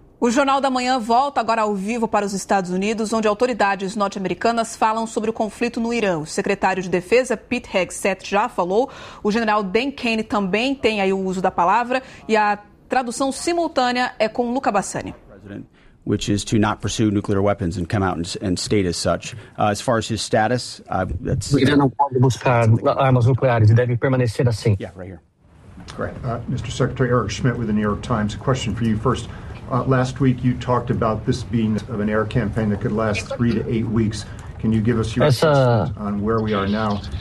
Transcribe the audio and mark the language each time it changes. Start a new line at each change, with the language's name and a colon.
Portuguese: O Jornal da Manhã volta agora ao vivo para os Estados Unidos, onde autoridades norte-americanas falam sobre o conflito no Irã. O secretário de Defesa, Pete Hegseth, já falou. O general Dan Kane também tem aí o uso da palavra. E a tradução simultânea é com Luca Bassani.
English: Which is to not pursue nuclear weapons and come out and state as such. As far as his status, that's...
Portuguese: O Irã não pode buscar armas nucleares e deve permanecer assim.
English: Yeah, right here. Great. Mr. Secretary Eric Schmidt with the New York Times. A question for you first. Last week you talked about this being of an air campaign that could last 3 to 8 weeks. Can you give us your assessment on where we are now?